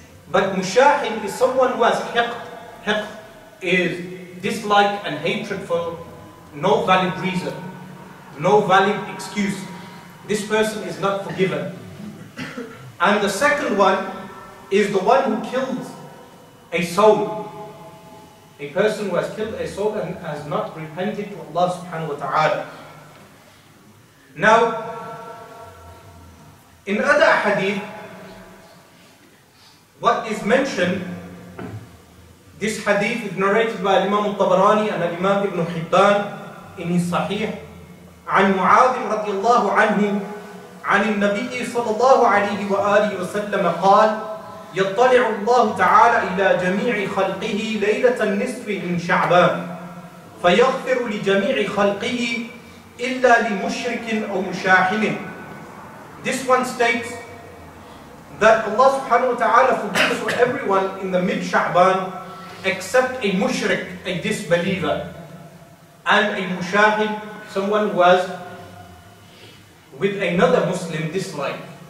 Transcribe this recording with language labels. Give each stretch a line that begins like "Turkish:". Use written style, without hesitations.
English: But Mushahim is someone who has hiqd. Hiqd is dislike and hatred for no valid reason, no valid excuse. This person is not forgiven. And the second one is the one who kills a soul. A person who has killed a soul and has not repented to Allah subhanahu wa ta'ala. Now, in other hadith, what is mentioned, this hadith is narrated by Imam al-Tabarani and Imam ibn Hibban in his Sahih,
Arabic: عن معاذ رضي الله عنه عن النبي صلى الله عليه وآله وسلم قال: يطلع الله تعالى إلى جميع خلقه ليلة النصف من شعبان فيغفر لجميع خلقه إلا لمشرك أو مشاحن.
English: This one states that Allah subhanahu wa ta'ala forgives for everyone in the mid-Sha'ban except a mushrik, a disbeliever, and a mushahid, someone who has with another Muslim this life.